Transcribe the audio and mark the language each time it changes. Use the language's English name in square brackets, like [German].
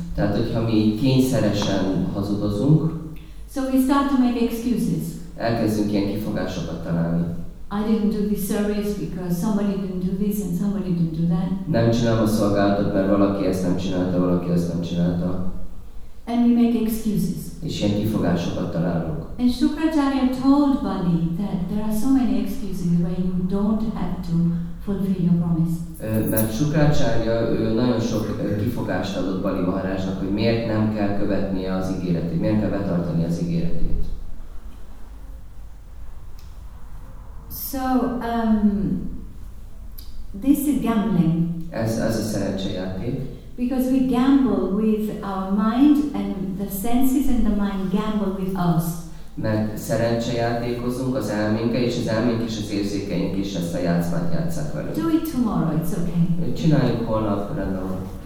[Hungarian] Tehát, hogyha mi kényszeresen hazudozunk, [English] so we start to make excuses. [Hungarian] Elkezdünk ilyen kifogásokat találni. [English] I didn't do this service because somebody didn't do this and somebody didn't do that. [Hungarian] Nem csinálom a szolgálatot, mert valaki ezt nem csinálta, valaki ezt nem csinálta. [English] And we make excuses. [Hungarian] És ilyen kifogásokat találunk. [English] And Shukracharya told Bali that there are so many excuses where you don't have to fulfill your promise. [Hungarian] Mert Shukracharya nagyon sok kifogást adott Bali Maharajnak, hogy miért nem kell követnie az ígéretét, miért kell betartani az ígéretét. [English] So, this is gambling. [Hungarian] Ez a szerencsejáték. [English] Because we gamble with our mind and the senses and the mind gamble with us. [Hungarian] Mert szerencsejátékozunk az elménkkel, és az elménk is az érzékeink is ezt a játszmát játsszák velünk. [English] Do it tomorrow, it's okay. [Hungarian] Csináljuk holnap, rendben.